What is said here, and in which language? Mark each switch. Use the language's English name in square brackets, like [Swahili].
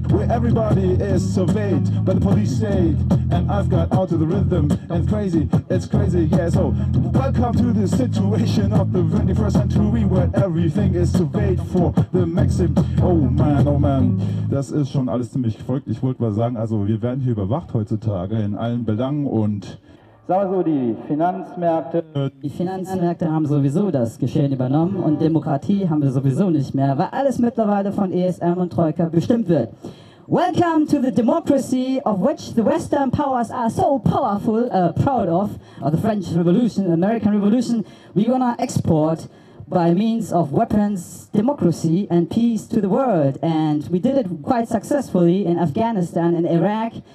[English] Where everybody is surveyed by the police state, and I've got out of the rhythm, and it's crazy, yeah. So welcome to the situation of the 21st century, where everything is surveyed for the maxim. [German] Oh man, das ist schon alles ziemlich verrückt. Ich wollte mal sagen, also wir werden hier überwacht heutzutage in allen Belangen und also die Finanzmärkte haben sowieso das Geschehen übernommen und Demokratie haben wir sowieso nicht mehr, weil alles mittlerweile von ESM und Troika bestimmt wird. [English] Welcome to the democracy of which the Western powers are so powerful, proud of the French Revolution, American Revolution. We're gonna export by means of weapons, democracy and peace to the world. And we did it quite successfully in Afghanistan and Iraq.